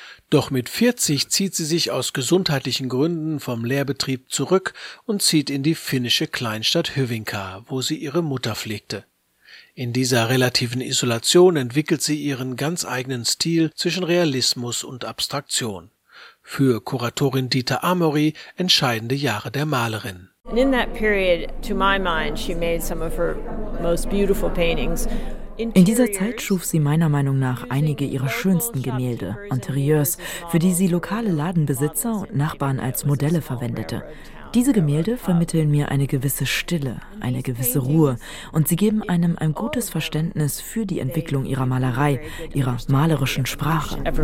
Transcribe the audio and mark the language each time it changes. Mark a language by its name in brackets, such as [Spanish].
[German] Doch mit 40 zieht sie sich aus gesundheitlichen Gründen vom Lehrbetrieb zurück und zieht in die finnische Kleinstadt Hyvinkää, wo sie ihre Mutter pflegte. In dieser relativen Isolation entwickelt sie ihren ganz eigenen Stil zwischen Realismus und Abstraktion. Für Kuratorin Dieter Amory entscheidende Jahre der Malerin. [English] And in that period, to my mind, she made some of her most beautiful paintings. [German] In dieser Zeit schuf sie meiner Meinung nach einige ihrer schönsten Gemälde, Interieurs, für die sie lokale Ladenbesitzer und Nachbarn als Modelle verwendete. Diese Gemälde vermitteln mir eine gewisse Stille, eine gewisse Ruhe und sie geben einem ein gutes Verständnis für die Entwicklung ihrer Malerei, ihrer malerischen Sprache.